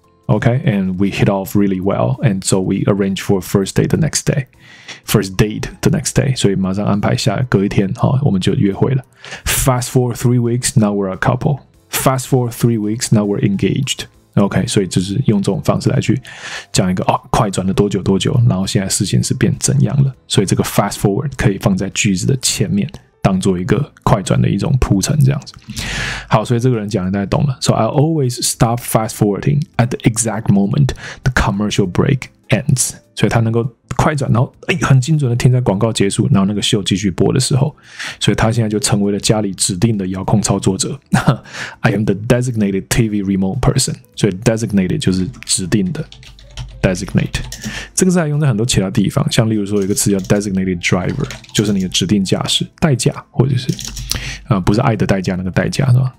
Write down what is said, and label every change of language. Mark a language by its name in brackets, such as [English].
[English] Okay, and we hit off really well, and so we arrange for first date the next day, first date the next day. [Chinese] 所以马上安排下隔一天哈，我们就约会了。 [English] Fast forward 3 weeks, now we're a couple. Fast forward 3 weeks, now we're engaged. [Chinese] Okay, 所以就是用这种方式来去讲一个哦，快转了多久多久，然后现在事情是变怎样了。所以这个 fast forward 可以放在句子的前面，当做一个快转的一种铺陈这样子。好，所以这个人讲的大家懂了。 [English] So I always stop fast forwarding at the exact moment the commercial break ends. [Chinese] 所以他能够快转，然后、哎、很精准的听在广告结束，然后那个秀继续播的时候，所以他现在就成为了家里指定的遥控操作者。 [English] I am the designated TV remote person. [Chinese] 所以 designated 就是指定的 designate。这个是还用在很多其他地方，像例如说有一个词叫 designated driver， 就是你的指定驾驶代驾，或者是不是爱的代驾那个代驾，是吧？